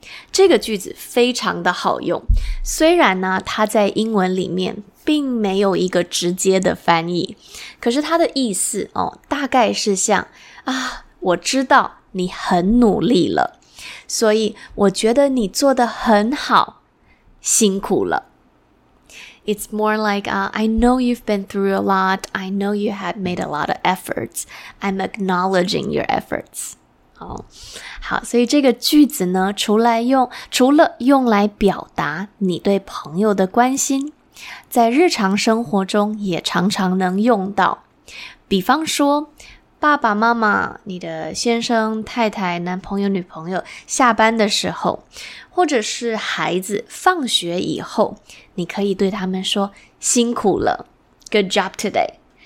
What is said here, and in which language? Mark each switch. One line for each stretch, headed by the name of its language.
Chinese: 这个句子非常的好用，虽然呢，它在英文里面并没有一个直接的翻译，可是它的意思大概是像啊，我知道你很努力了，所以我觉得你做得很好，辛苦了。
English: It's more like, I know you've been through a lot. I know you had made a lot of efforts. I'm acknowledging your efforts.
Chinese: 好，所以这个句子呢，除了用来表达你对朋友的关心，在日常生活中也常常能用到。比方说，爸爸妈妈、你的先生、太太、男朋友、女朋友下班的时候，或者是孩子放学以后，你可以对他们说辛苦了 ，
English: Good job today。